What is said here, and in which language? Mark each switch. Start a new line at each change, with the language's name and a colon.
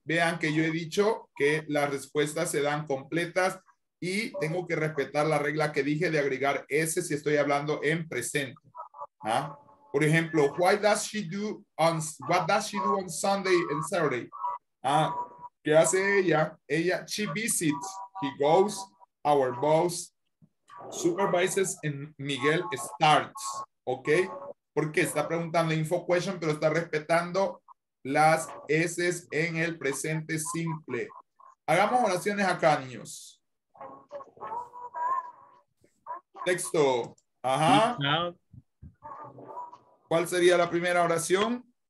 Spanish: Vean que yo he dicho que las respuestas se dan completas y tengo que respetar la regla que dije de agregar S si estoy hablando en presente. ¿Ah? Por ejemplo,
English: what does she do on Sunday and Saturday?
Spanish: Ah, ¿qué hace ella? Ella,
English: she visits, he goes, our boss supervises and Miguel starts.
Spanish: ¿Ok? Porque está preguntando info question, pero está respetando las S en el presente simple. Hagamos oraciones acá, niños. Texto. Ajá. ¿Cuál sería la primera oración?